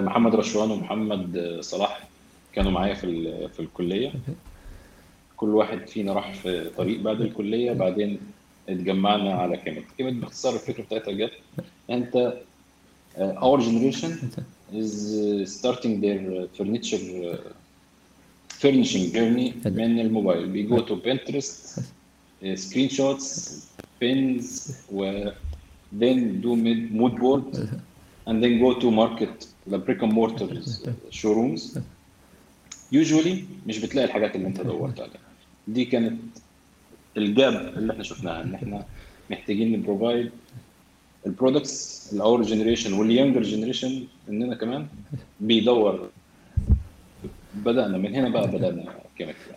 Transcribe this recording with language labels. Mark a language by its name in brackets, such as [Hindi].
[Arabic] محمد رشوان ومحمد صلاح كانوا معايا في الكليه كل واحد فينا راح في طريق بعد الكليه بعدين اتجمعنا على كيميت. كيميت باختصار الفكره بتاعتها جت انت [English] our generation is starting their furniture furnishing journey [Arabic] من الموبايل. [English] We go to Pinterest, screenshots, pins, then do mood board, and then go to market, the brick and mortar showrooms. Usually, [Arabic] مش بتلاقي الحاجات اللي انت دورت عليها. دي كانت الجاب اللي احنا شفناها. ان احنا محتاجين نبروفايد البرودكتس الاور جنريشن واليانجر جنريشن اننا كمان بيدور. بدانا من هنا بقى بدانا كيميت.